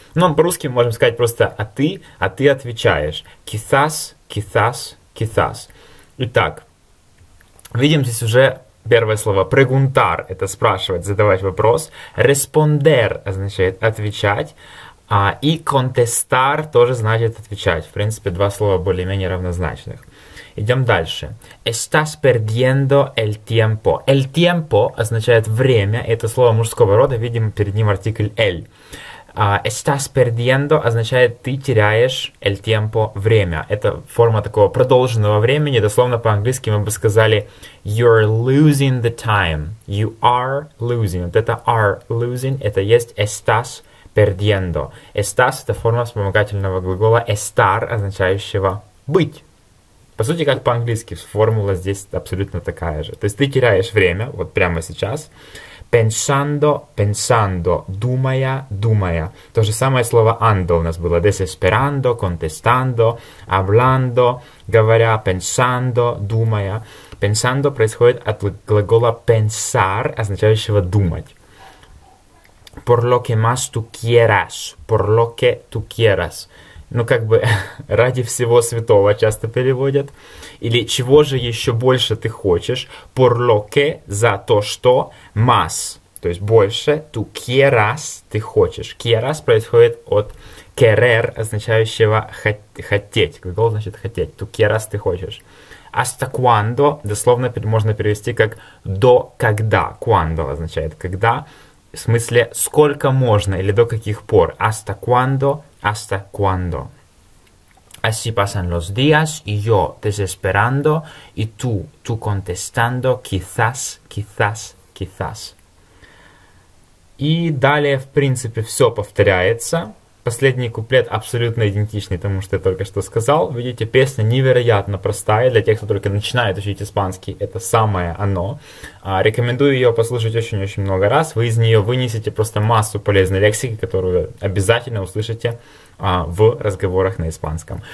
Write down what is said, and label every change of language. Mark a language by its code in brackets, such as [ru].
[ru] Ну, по-русски можем сказать просто а ты отвечаешь, [es] quizás, quizás, quizás. [ru] Итак, видим здесь уже первое слово preguntar – это спрашивать, задавать вопрос. Responder означает отвечать. И contestar тоже значит отвечать. В принципе, два слова более-менее равнозначных. Идем дальше. [es] Estás perdiendo el tiempo. [ru] El tiempo означает время. Это слово мужского рода, видимо, перед ним артикль el. [es] Estás perdiendo [ru] означает ты теряешь [es] el tiempo, [ru] время. Это форма такого продолженного времени. Дословно по-английски мы бы сказали [en] you're losing the time. You are losing. [ru] Вот это are losing, это есть estás perdiendo. Estás это форма вспомогательного глагола estar, означающего быть. По сути, как по-английски, формула здесь абсолютно такая же. То есть ты теряешь время, вот прямо сейчас. [es] Pensando, pensando, [ru] думая, думая. То же самое слово ando у нас было. [es] Desesperando, contestando, hablando, говоря, pensando, думая. [ru] Pensando происходит от глагола pensar, означающего думать. [es] Por lo que más tú quieras, por lo que tú quieras. [ru] Ну, как бы ради всего святого часто переводят. Или чего же еще больше ты хочешь? [es] Por lo que, [ru] за то, что, [es] más. [ru] То есть больше, [es] tú quieras, [ru] ты хочешь. Quieras происходит от querer, означающего хотеть. Глагол значит хотеть. [es] Tú quieras, [ru] ты хочешь. [es] Hasta cuando, [ru] дословно можно перевести как до когда. Cuando означает когда. В смысле, сколько можно или до каких пор. [es] Hasta cuando, hasta cuando. Así pasan los días y yo desesperando y tú contestando quizás, quizás, quizás. [ru] И далее, в принципе, все повторяется. Последний куплет абсолютно идентичный тому, что я только что сказал. Видите, песня невероятно простая. Для тех, кто только начинает учить испанский, это самое оно. Рекомендую ее послушать очень-очень много раз. Вы из нее вынесете просто массу полезной лексики, которую обязательно услышите в разговорах на испанском.